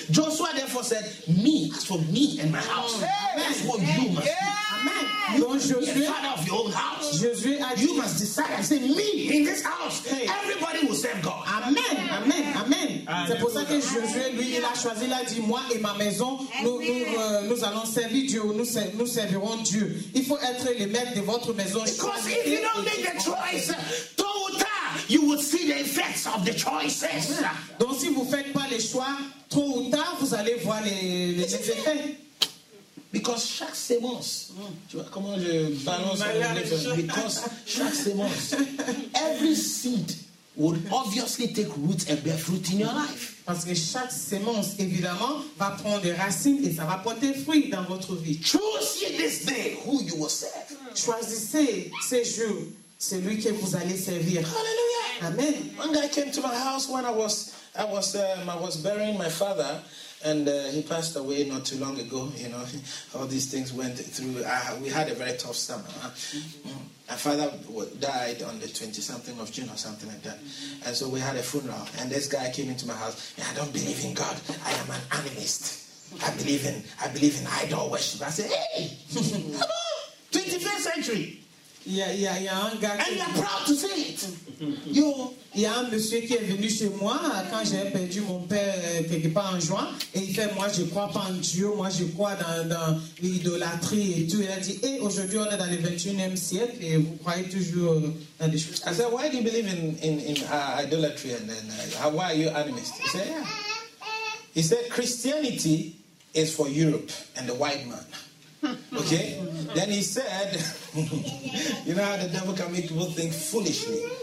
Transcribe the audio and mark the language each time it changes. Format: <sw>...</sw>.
<en>Joshua therefore said, me, as for me and my house. That's what you must do.</en> <fr>Donc Josué, Josué a dit,</fr> <en>you must decide. I say me in this house. Hey. Everybody will serve God. Amen, amen, amen.</en> <fr>C'est pour ça que Josué lui il a choisi, il a dit moi et ma maison, nous allons servir Dieu, nous servirons Dieu. Il faut être le maître de votre maison.</fr> <en>Because if you don't make the choice,</en> <fr>tôt ou tard,</fr> <en>you will see the effects of the choices.</en> <fr>Donc si vous faites pas les choix, tôt ou tard, vous allez voir les effets. Because chaque semence, tu vois comment je balance la réflexion.</fr> <en>Because</en> <fr>chaque semence,</fr> <en>every seed would obviously take root and bear fruit in your life.</en> <fr>Parce que chaque semence, évidemment, va prendre des racines et ça va porter fruit dans votre vie.</fr> <en>Choose this day who you will serve.</en> <fr>Choisissez ce jour, celui que vous allez servir.</fr> <en>Hallelujah. Amen. One guy came to my house when I was burying my father. And he passed away not too long ago. You know, all these things went through. We had a very tough summer. My father died on the 20-something of June or something like that. And so we had a funeral. And this guy came into my house. Yeah, I don't believe in God. I am an animist. I believe in idol worship. I said, hey, come on, 21st century.</en> <fr>Yeah, un gars.</fr> <en>And you're proud to say it. Yo.</en> <fr>Il y a un monsieur qui est venu chez moi quand j'ai perdu mon père quelque part en juin. Et il fait, moi je crois pas en Dieu, moi je crois dans l'idolâtrie et tout. Et il a dit, hey, aujourd'hui on est dans le 21e siècle et vous croyez toujours dans des choses.</fr> <en>I said, why do you believe in idolatry and then why are you animist? He said, yeah. He said, Christianity is for Europe and the white man. Okay? Then he said, you know how the devil can make people think foolishly.</en>